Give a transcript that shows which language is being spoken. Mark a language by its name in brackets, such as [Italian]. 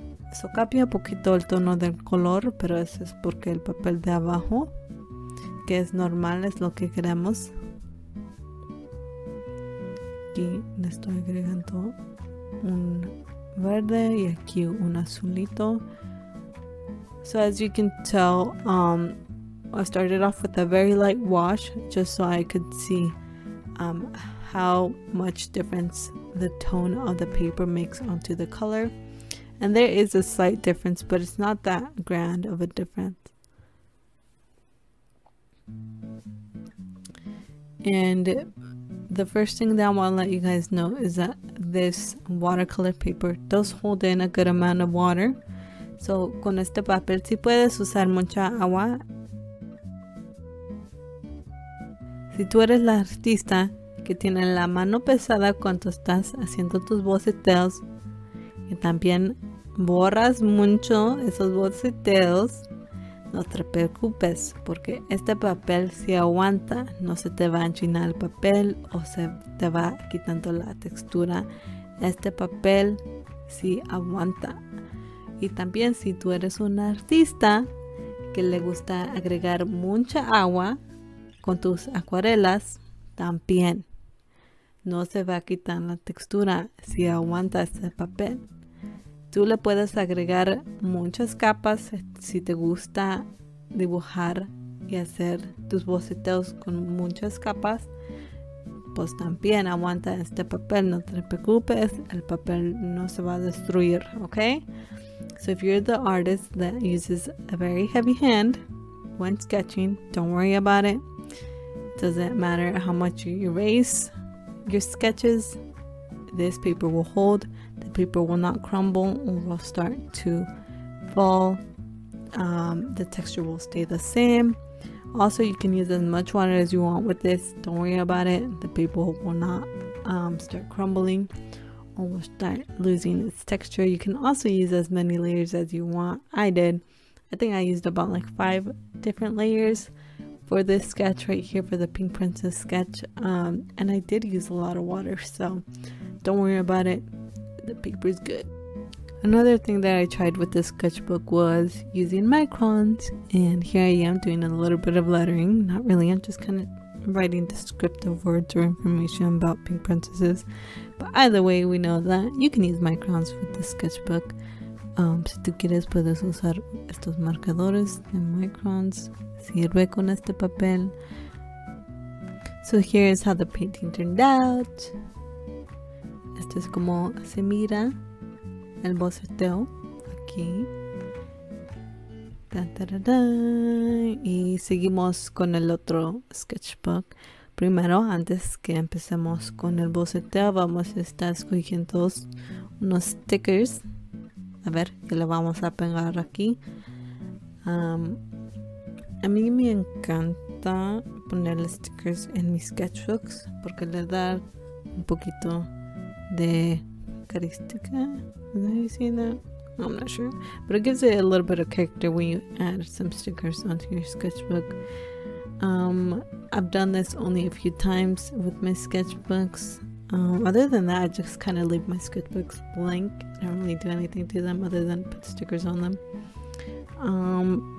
[Spanish] Eso cambia un poquito el tono del color, pero eso es porque el papel de abajo, que es normal, es lo que queremos. Aquí le estoy agregando un verde y aquí un azulito. [English] So as you can tell, I started off with a very light wash just so I could see how much difference the tone of the paper makes onto the color. And there is a slight difference, but it's not that grand of a difference. And the first thing that I want to let you guys know is that this watercolor paper does hold in a good amount of water. [Spanish] So, con este papel sí puedes usar mucha agua. Si tú eres la artista que tiene la mano pesada cuando estás haciendo tus boceteos y también borras mucho esos boceteos, no te preocupes porque este papel sí aguanta, no se te va a enchinar el papel o se te va quitando la textura. Este papel sí aguanta. Y también si tú eres una artista que le gusta agregar mucha agua con tus acuarelas, también no se va a quitar la textura si aguanta ese papel. Tú le puedes agregar muchas capas si te gusta dibujar y hacer tus boceteos con muchas capas, pues también aguanta este papel, no te preocupes, el papel no se va a destruir, ¿ok? [English] So if you're the artist that uses a very heavy hand when sketching, don't worry about it. Doesn't matter how much you erase your sketches, this paper will hold. The paper will not crumble and will start to fall. The texture will stay the same. Also, you can use as much water as you want with this. Don't worry about it. The paper will not start crumbling or will start losing its texture. You can also use as many layers as you want. I did. I think I used about like 5 different layers for this sketch right here, for the Pink Princess sketch, and I did use a lot of water, so don't worry about it, the paper is good. Another thing that I tried with this sketchbook was using microns, and here I am doing a little bit of lettering, not really, I'm just kind of writing descriptive words or information about Pink Princesses, but either way, we know that you can use microns with this sketchbook. [Spanish] Si tú quieres puedes usar estos marcadores de microns. Sirve con este papel. [English] So here is how the painting turned out. [Spanish] Esto es como se mira el boceteo aquí. Da, da, da, da. Y seguimos con el otro sketchbook. Primero, antes que empecemos con el boceteo, vamos a estar escogiendo unos stickers. A ver, ¿qué le vamos a pegar aquí? A mí me encanta ponerle stickers en mis sketchbooks porque le da un poquito de carística. [English] I'm not sure. But it gives it a little bit of character when you add some stickers onto your sketchbook. I've done this only a few times with my sketchbooks. Other than that, I just kind of leave my sketchbooks blank. I don't really do anything to them other than put stickers on them.